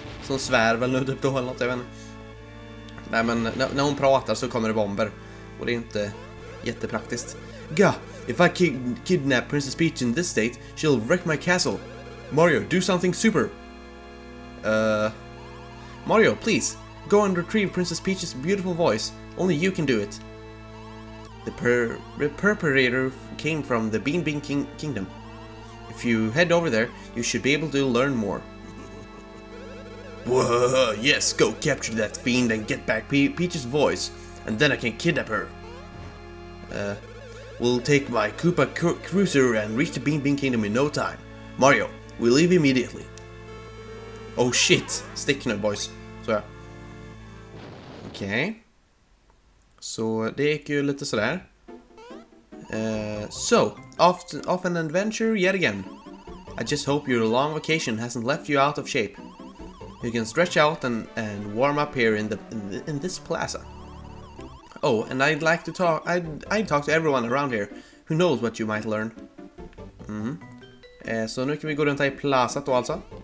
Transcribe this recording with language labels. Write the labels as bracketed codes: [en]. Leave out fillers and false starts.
[sv] Som svär väl nu typ då eller något, jag vet inte. Nej, men när hon pratar så kommer det bomber. Och det är inte jättepraktiskt. [en] Gah, if I kidnap Princess Peach in this state, she'll wreck my castle. Mario, do something super. Mario, please, go and retrieve Princess Peach's beautiful voice. Only you can do it. The perpetrator came from the Bean Bean Kingdom. If you head over there, you should be able to learn more. Yes, go capture that fiend and get back Peach's voice, and then I can kidnap her. We'll take my Koopa Cruiser and reach the Bean Bean Kingdom in no time. Mario, we leave immediately. Oh shit, [sv] stick nu boys. Så ja. Okej. Så det gick ju lite sådär. [en] So, off an adventure yet again. I just hope your long vacation hasn't left you out of shape. You can stretch out and warm up here in this plaza. Oh, and I'd like to talk. I'd talk to everyone around here. Who knows what you might learn? [sv] Så nu kan vi gå runt här i plazat då alltså.